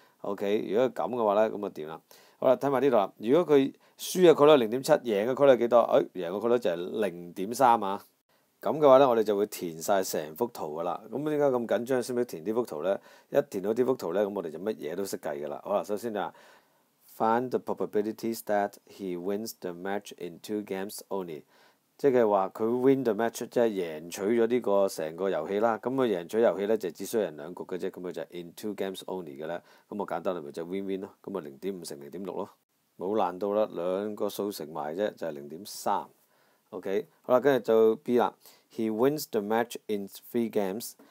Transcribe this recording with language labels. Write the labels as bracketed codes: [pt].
[yue] OK， 如果咁嘅話咧，咁啊點啦？好啦，睇埋呢度啦。如果佢輸嘅概率係0.7，贏嘅概率係幾多？贏嘅概率就係0.3啊。咁嘅話咧，我哋就會填曬成幅圖噶啦。咁點解咁緊張先要填呢幅圖咧？一填到呢幅圖咧，咁我哋就乜嘢都識計噶啦。好啦，首先就話。 [en] Find the probabilities that he wins the match in two games only. [yue] 即係話佢 [en] win the match [yue] 即係贏取咗呢個成個遊戲啦。咁佢贏取遊戲咧就只需要贏兩局嘅啫。咁佢就 [en] in two games only [yue] 嘅咧。咁我簡單嚟咪就 win win 咯。咁啊0.5乘0.6咯，冇難度啦。兩個數乘埋啫就係0.3。 OK， 好啦，跟住就 B 啦。 [en] He wins the match in three games.